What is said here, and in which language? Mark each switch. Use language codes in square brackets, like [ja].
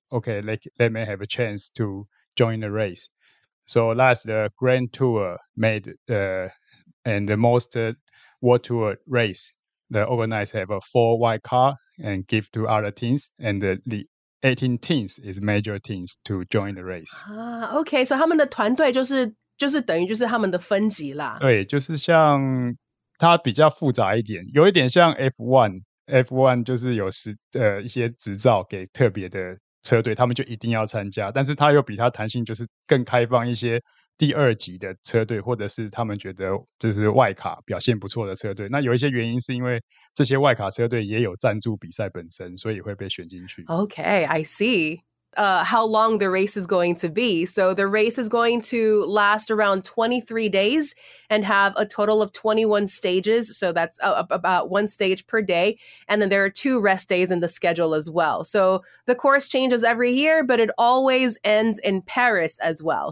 [en] Okay, they may have a chance to join the race. So that's the Grand Tour made and the most World Tour race. The organizers have a four white car and give to other teams, and the 18 teams is major teams to join the race. Okay, so [zh] 他们的团队就是等于就是他们的分级啦。对，就是像它比较复杂一点，有一点像 F1 就是有一些执照给特别的车队，他们就一定要参加，但是他又比他弹性就是更开放一些第二级的车队，或者是他们觉得这是外卡表现不错的车队。那有一些原因是因为这些外卡车队也有赞助比赛本身，所以会被选进去。 [en] Okay, I see. How long the race is going to be? So the race is going to last around 23 days and have a total of 21 stages. So that's about one stage per day. And then there are two rest days in the schedule as well. So the course changes every year, but it always ends in Paris as well.